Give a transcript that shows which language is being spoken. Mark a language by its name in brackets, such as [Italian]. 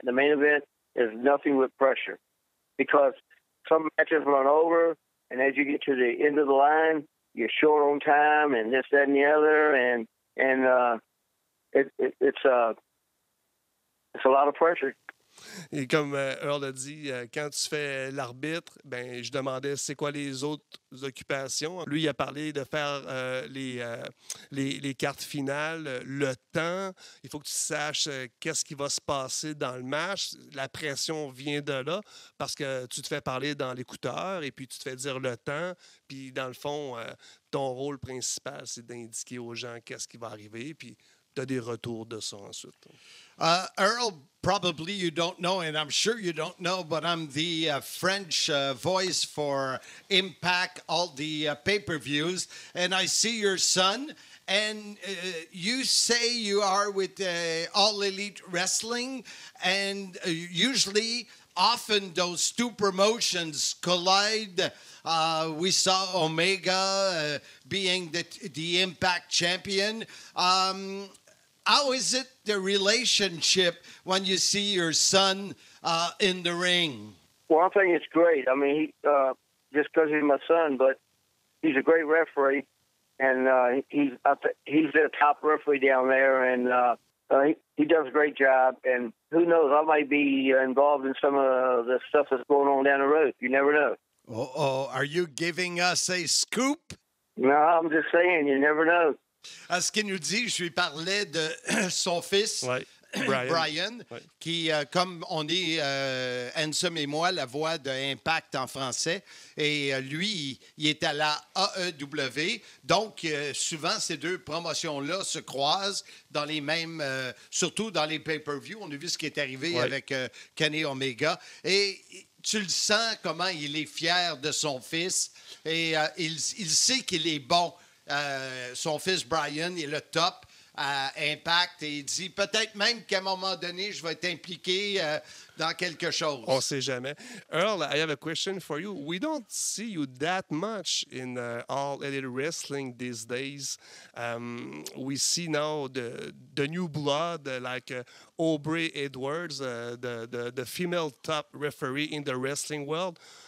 [English] The main event is nothing but pressure, because some matches run over, and as you get to the end of the line, you're short on time and this, that, and the other, and it's a lot of pressure. [French] Et comme Earl a dit, quand tu fais l'arbitre, ben je demandais c'est quoi les autres occupations. Lui, il a parlé de faire les cartes finales, le temps. Il faut que tu saches qu'est-ce qui va se passer dans le match. La pression vient de là parce que tu te fais parler dans l'écouteur et puis tu te fais dire le temps. Puis dans le fond, ton rôle principal, c'est d'indiquer aux gens qu'est-ce qui va arriver. Puis tu as des retours de ça ensuite. [English] Earl, probably you don't know, and I'm sure you don't know, but I'm the French voice for Impact, all the pay-per-views, and I see your son, and you say you are with All Elite Wrestling, and usually, often, those two promotions collide. We saw Omega being the Impact champion. How is it, the relationship, when you see your son in the ring? Well, I think it's great. I mean, just because he's my son, but he's a great referee, and he's the top referee down there, and he does a great job. And who knows, I might be involved in some of the stuff that's going on down the road. You never know. Uh-oh, are you giving us a scoop? No, I'm just saying, you never know. [French] À ce qu'il nous dit, je lui parlais de son fils, ouais, Brian, ouais, qui, comme on est, Ansem et moi, la voix d'Impact en français, et lui, il est à la AEW, donc souvent ces deux promotions-là se croisent dans les mêmes, surtout dans les pay-per-views. On a vu ce qui est arrivé, ouais, avec Kenny Omega, et tu le sens comment il est fier de son fils, et il sait qu'il est bon. Son fils Brian est le top à Impact, et il dit peut-être même qu'à un moment donné, je vais être impliqué dans quelque chose. On ne sait jamais. [English] Earl, I have a question for you. We don't see you that much in All Elite Wrestling these days. We see now the new blood, like Aubrey Edwards, the female top referee in the wrestling world.